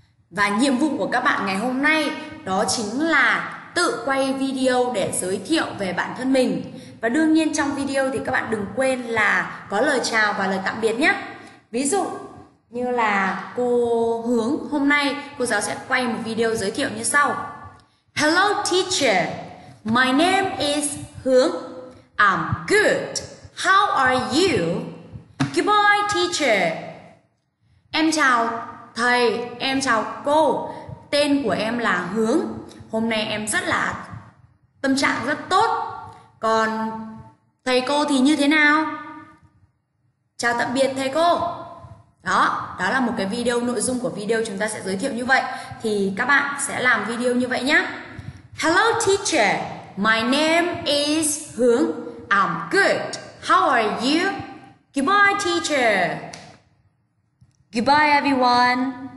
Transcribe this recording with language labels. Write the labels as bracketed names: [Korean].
[Vietnamese] Và nhiệm vụ của các bạn ngày hôm nay đó chính là tự quay video để giới thiệu về bản thân mình. Và đương nhiên trong video thì các bạn đừng quên là có lời chào và lời tạm biệt nhé. Ví dụ như là cô Hướng hôm nay, cô giáo sẽ quay một video giới thiệu như sau. [English] Hello teacher, my name is Hướng. I'm good. How are you? Goodbye teacher. [Vietnamese] Em chào thầy, em chào cô. Tên của em là Hướng. Hôm nay em rất là tâm trạng rất tốt. Còn thầy cô thì như thế nào? Chào tạm biệt thầy cô. Đó, đó là một cái video, nội dung của video chúng ta sẽ giới thiệu như vậy. Thì các bạn sẽ làm video như vậy nhé. [English] Hello teacher, my name is Hướng. I'm good. How are you? Goodbye, teacher. Goodbye, everyone.